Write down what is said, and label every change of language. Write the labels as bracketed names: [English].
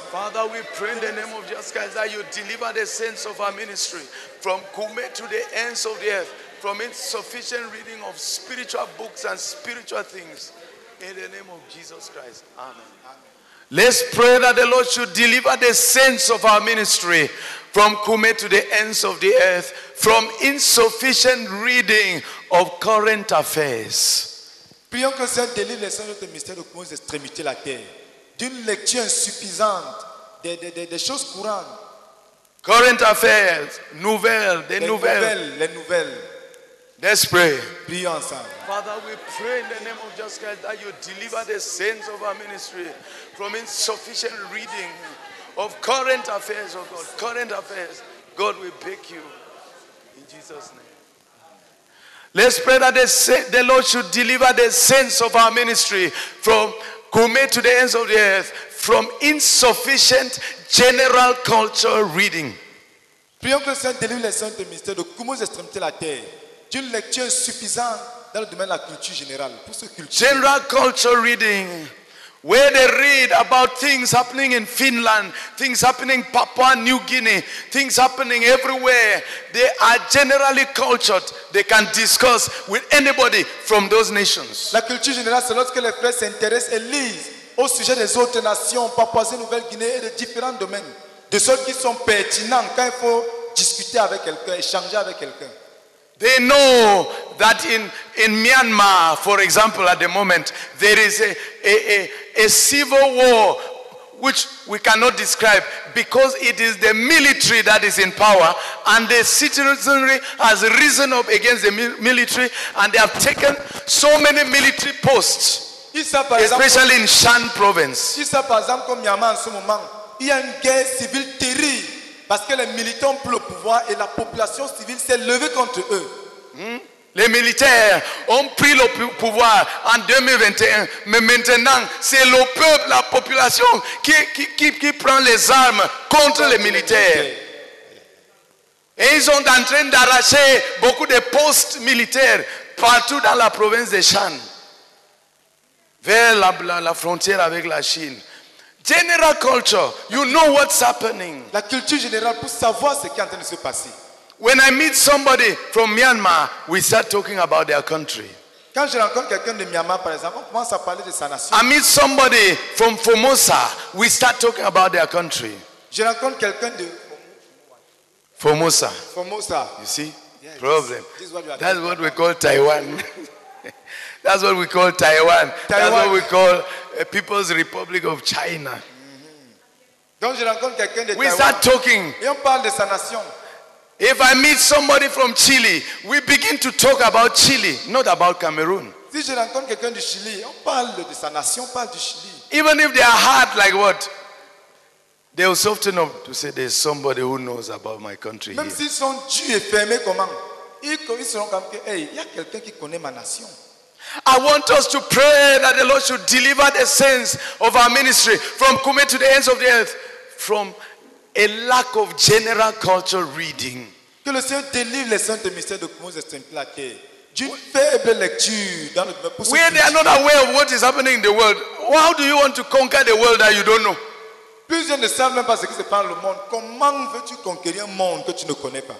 [English] Father, we pray in the name of Jesus Christ that you deliver the saints of our ministry from Kume to the ends of the earth, from insufficient reading of spiritual books and spiritual things. In the name of Jesus Christ. Amen. Let's pray that the Lord should deliver the saints of our ministry from Kume to the ends of the earth, from insufficient reading of current affairs. [French] Prions que Seigneur délivre les saints de notre ministère aux extrémités de la terre, d'une lecture insuffisante des choses courantes. [English] Current affairs, [French] nouvelles, des nouvelles. Les nouvelles. [English] Let's pray. [French] Prions ensemble. [English] Father, we pray in the name of Jesus Christ that you deliver the saints of our ministry from insufficient reading of current affairs, oh God. Current affairs. God, we beg you. In Jesus' name. Let's pray that the Lord should deliver the saints of our ministry from Kume to the ends of the earth from insufficient general culture reading. [French] Prions que le Seigneur délivre les saints de ministère de Kume aux extrémités de la terre d'une lecture insuffisante dans le domaine de la culture générale. Pour ce culture. [English] General culture reading, where they read about things happening in Finland, things happening in Papua New Guinea, things happening everywhere. They are generally cultured. They can discuss with anybody from those nations. [French] La culture générale, c'est lorsque les frères s'intéressent et lisent au sujet des autres nations, Papouasie-Nouvelle-Guinée et de différents domaines, de ceux qui sont pertinents quand il faut discuter avec quelqu'un, échanger avec quelqu'un. [English] They know that in Myanmar, for example, at the moment, there is a civil war which we cannot describe because it is the military that is in power and the citizenry has risen up against the military and they have taken so many military posts, especially in Shan province. [French] Ils savent par exemple qu'au Myanmar en ce moment, il y a une guerre civile terrible. Parce que les militants pour le pouvoir et la population civile s'est levée contre eux. Les militaires ont pris le pouvoir en 2021. Mais maintenant, c'est le peuple, la population qui prend les armes contre les militaires. Et ils sont en train d'arracher beaucoup de postes militaires partout dans la province de Shan. Vers la frontière avec la Chine. [English] General culture, you know what's happening. [French] La culture générale pour savoir ce qui est en train de se passer. [English] When I meet somebody from Myanmar, we start talking about their country. [French] Quand je rencontre quelqu'un de Myanmar, par exemple, on commence à parler de sa nation. [English] I meet somebody from Formosa, we start talking about their country. [French] Je rencontre quelqu'un de Formosa. Formosa. [English] You see? Yes. Problem. That's what we call Taiwan. That's what we call Taiwan. That's what we call a People's Republic of China. [French] Donc je rencontre quelqu'un de [English] Taiwan. We start talking. [French] Et on parle de sa nation. [English] If I meet somebody from Chile, we begin to talk about Chile, not about Cameroon. [French] Si je rencontre quelqu'un du Chili, on parle de sa nation, on parle du Chili. [English] Even if they are hard, like what? They will soften up to say there's somebody who knows about my country. [French] Même s'ils sont durs et fermés, comment? Ils seront comme que, hey, il y a quelqu'un qui connaît ma nation. [English] I want us to pray that the Lord should deliver the saints of our ministry from Kume to the ends of the earth from a lack of general culture reading. [French] Que le Seigneur délivre les saints de ministère de Kume de la terre d'une faible lecture dans le [English] pour where they are not aware of what is happening in the world. How do you want to conquer the world that you don't know? [French] Plusieurs ne savent même pas ce qui se passe dans le monde. Comment veux-tu conquérir un monde que tu ne connais pas?